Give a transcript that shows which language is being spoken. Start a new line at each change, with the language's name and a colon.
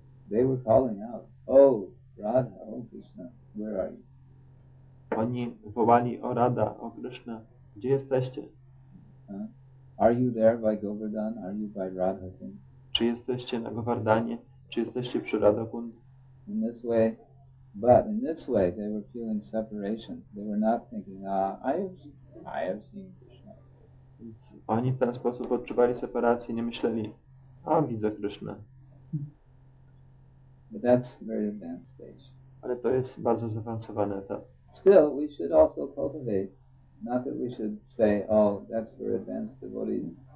English: They were calling out, "Oh, Radha, oh Krishna, where are you?"
Polish: Oni wołali, "O Radha, o Krishna, gdzie jesteście?"
English: Are you there by Govardhan? Are you by Radhakund?
Polish: Czy jesteście na Govardhanie? Czy jesteście przy Radhakund?
English: In this way, but in this way, they were feeling separation. They were not thinking, I have seen."
Polish: Więc oni w ten sposób odczuwali separację, nie myśleli, a widzę Krishna.
English: But that's very advanced stage.
Polish: Ale to jest bardzo zaawansowany etap.
English: Still, we should also cultivate, not that we should say, oh, that's for advanced devotees.